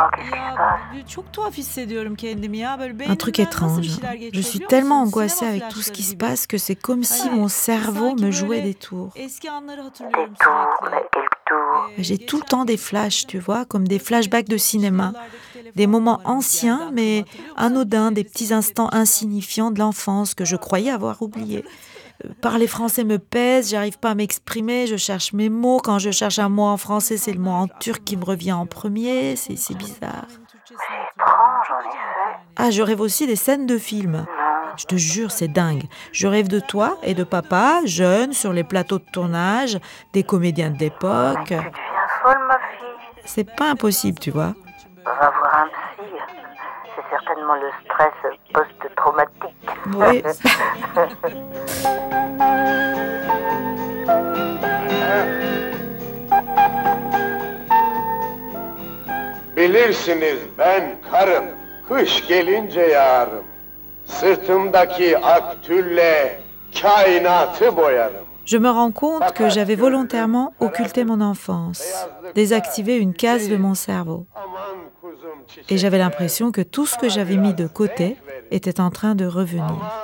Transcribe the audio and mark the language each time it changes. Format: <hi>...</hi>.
<tr>Ya, çok tuhaf hissediyorum kendimi ya. Böyle beynimden nasıl bir şeyler geçiyor.</tr> <fr>Je suis tellement angoissée avec tout ce qui se passe que c'est comme si mon cerveau me jouait des tours.</fr> <tr>Eski anları hatırlıyorum sürekli.</tr> <fr>J'ai tout le temps des flashs, tu vois, comme des flashbacks de cinéma. Des moments anciens, mais anodins, des petits instants insignifiants de l'enfance que je croyais avoir oubliés. Parler français me pèse, j'arrive pas à m'exprimer, je cherche mes mots. Quand je cherche un mot en français, c'est le mot en turc qui me revient en premier. C'est bizarre. C'est étrange, ah, je rêve aussi des scènes de films. Je te jure, c'est dingue. Je rêve de toi et de papa, jeunes, sur les plateaux de tournage, des comédiens de l'époque. Mais tu deviens folle, ma fille. C'est pas impossible, tu vois. Va voir un psy. C'est certainement le stress post-traumatique. Oui.</fr> <tr>Bilirsiniz ben karım, kış gelince yarım. Sırtımdaki ak tülle kainatı boyarım.</tr> <fr>Je me rends compte que j'avais volontairement occulté mon enfance, désactivé une case de mon cerveau. Et j'avais l'impression que tout ce que j'avais mis de côté était en train de revenir.</fr>